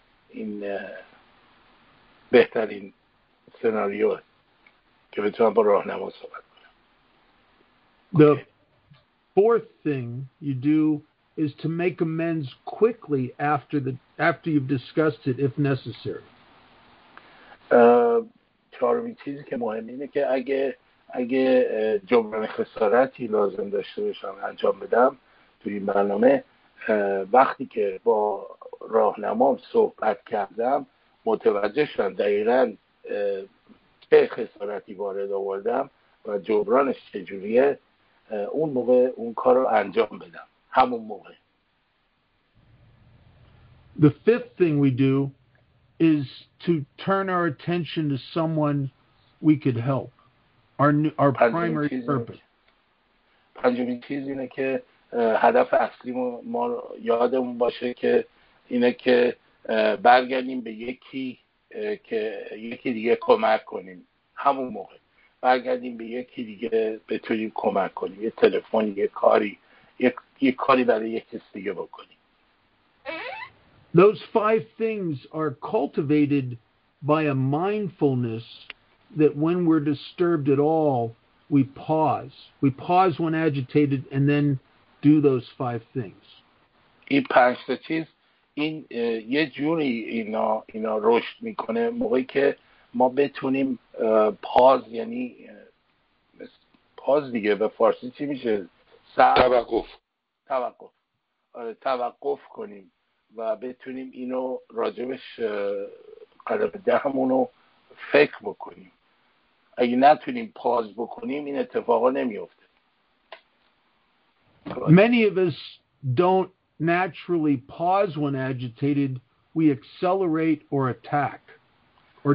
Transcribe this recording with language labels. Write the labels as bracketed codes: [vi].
[fa] این بهترین سناریو که بتونم با راهنما صحبت کنم. [en] The fourth thing you do is to make amends quickly after you've discussed it if necessary. [fa] چهارمین چیزی که مهم اینه که اگه جبران خسارتی لازم داشته باشم انجام بدم توی این برنامه وقتی که با راهنما صحبت کردم متوجه شدم دقیقاً چه خسارتی وارد آوردم و جبرانش چجوریه اون موقع اون کار رو انجام بدم همون موقع. [en] The fifth thing we do is to turn our attention to someone we could help. Our primary purpose. [fa] پنجمین چیز اینه که هدف اصلی ما یادمون باشه که اینه که برگردیم به یکی که یکی دیگه کمک کنیم همون موقع برگردیم به یکی دیگه بتونیم کمک کنیم یه تلفن یه کاری برای یک کس دیگه بکنیم. [en] Those five things are cultivated by a mindfulness that when we're disturbed at all we pause when agitated and then do those five things. [fa] این پنج تا چیز این یه جوری اینا رشد میکنه موقعی که ما بتونیم پاز دیگه به فارسی چی میشه؟ توقف کنیم و بتونیم اینو راجبش قدر به دهمونو فکر بکنیم. اگه نتونیم پاز بکنیم این اتفاقا نمیفته. [en] Many of us don't naturally pause when agitated, we accelerate or attack or